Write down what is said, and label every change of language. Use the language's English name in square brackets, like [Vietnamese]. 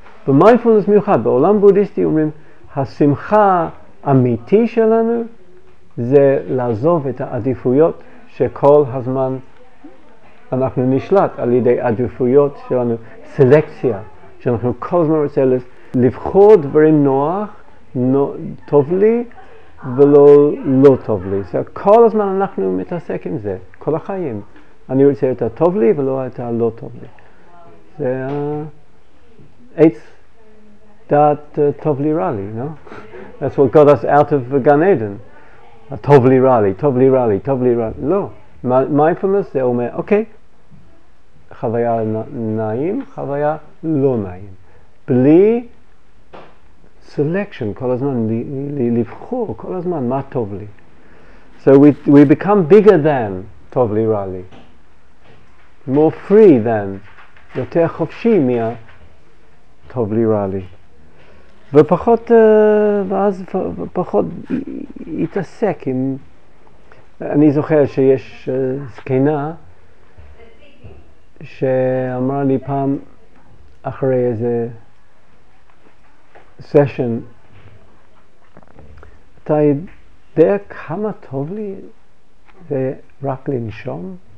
[Hebrew] במיינדפולנס מיוחד, בעולם בודיסטי אומרים, השמחה האמיתי שלנו זה לעזוב את העדיפויות שכל הזמן אנחנו נשלט על ידי עדיפויות שלנו, סלקציה, שאנחנו כל הזמן רוצים לבחור דברים נוח, טוב לי, ולא לא טוב לי. So, כל הזמן אנחנו מתעסק עם זה, כל החיים. אני רוצה את הטוב לי ולא את הלא טוב לי. זה עץ דעת טוב לי רע לי, no? [English] That's what got us out of Gan Eden. [Hebrew] טוב לי רע לי, טוב לי רע לי, טוב לי רע לי. לא. Mindfulness זה אומר, אוקיי, חוויה נעים, חוויה לא נעים. בלי selection, כל הזמן, לבחור, כל הזמן, מה טוב לי. [English] So we become bigger than [Hebrew] טוב לי, רע לי. [English] More free than, [Hebrew] יותר חופשי מה טוב לי, רע לי. ופחות, ואז פחות התעסק עם, אני זוכר שיש זקנה שאמרה לי פעם אחרי איזה session, אתה יודע כמה טוב לי זה רק לנשום?